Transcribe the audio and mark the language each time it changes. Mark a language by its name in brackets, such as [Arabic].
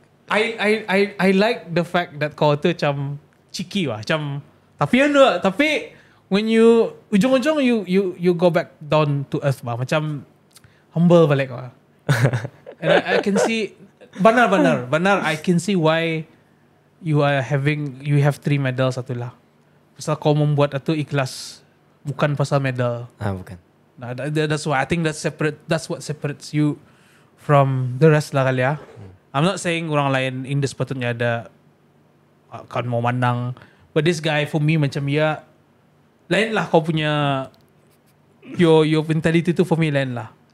[English] I like the fact that [Malay] kau tu macam cheeky lah, macam tapi anu lah, [English] tapi when you [Malay] ujung-ujung [English] you go back down to earth lah, [Malay] macam humble balik lah. [English] And I can see benar I can see why you have 3 medal [Malay] satu lah. Pasal kau membuat itu ikhlas, bukan pasal medal. Ah, bukan. [English] Nah, that's why I think that's what separates you from the rest [Malay] lah kali ya. [English] I'm not saying [Malay] orang lain in this sepatutnya ada kan mau menang, [English] but this guy for me [Malay] macam ya lain lah kau punya [English] your mentality [Malay] tu for me lain lah.